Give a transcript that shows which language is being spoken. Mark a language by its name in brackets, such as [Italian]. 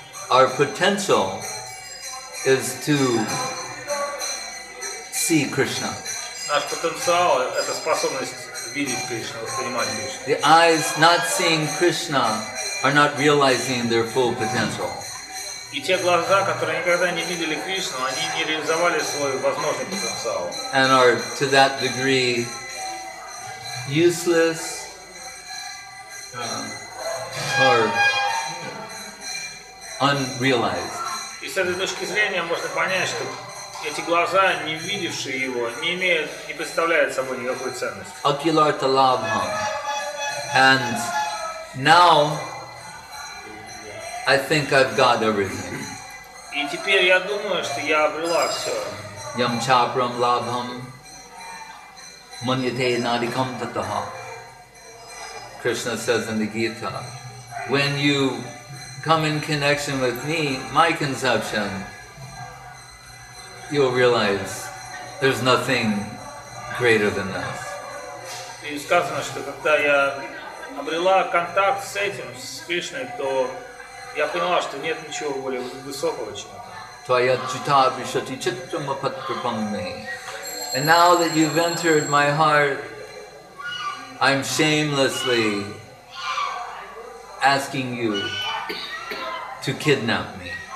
[English] Our potential is to see Krishna. [Russian] Наш потенциал — это способность видеть Кришну, воспринимать Кришну. [English] The eyes not seeing Krishna are not realizing their full potential. [Russian] И те глаза, которые никогда не видели Кришну, они не реализовали свой возможный потенциал. [English] And are to that degree useless or unrealized. [Russian] И с этой точки зрения можно понять, что эти глаза, не видевшие его, не представляют собой никакой ценности. [Sanskrit] Акилартха лабхам. [English] And now I think I've got everything. [Russian] И теперь я думаю, что я обрела всё. [Sanskrit] Yam chapram labham manyate nadikam tataha. [English] Krishna says in the Gita, when you come in connection with me, my conception, you'll realize there's nothing greater than this. [Russian] И сказано, что когда я обрела контакт с этим, с Кришной, то я поняла, что нет ничего более высокого, чем это. [English] And now that you've entered my heart, I'm shamelessly asking you to kidnap me.